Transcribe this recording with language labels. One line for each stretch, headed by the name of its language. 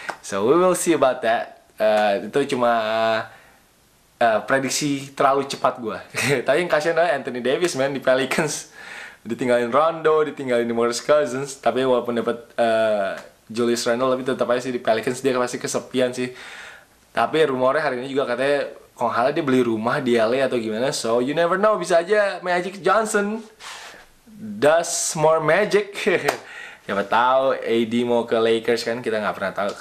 English: So we will see about that.
Indonesian: Itu cuma prediksi terlalu cepat gue. Tapi yang kasihan adalah Anthony Davis man di Pelicans, ditinggalin Rondo, ditinggalin DeMarcus Cousins. Tapi walaupun dapat Julius Randle, tapi tetap aja sih di Pelicans dia pasti kesepian sih. Tapi rumornya hari ini juga katanya kalau nggak salah dia beli rumah di LA atau gimana.
English: So you never know,
Indonesian: bisa aja
English: Magic Johnson does more magic.
Indonesian: Siapa tahu AD mau ke Lakers kan, kita nggak pernah tahu.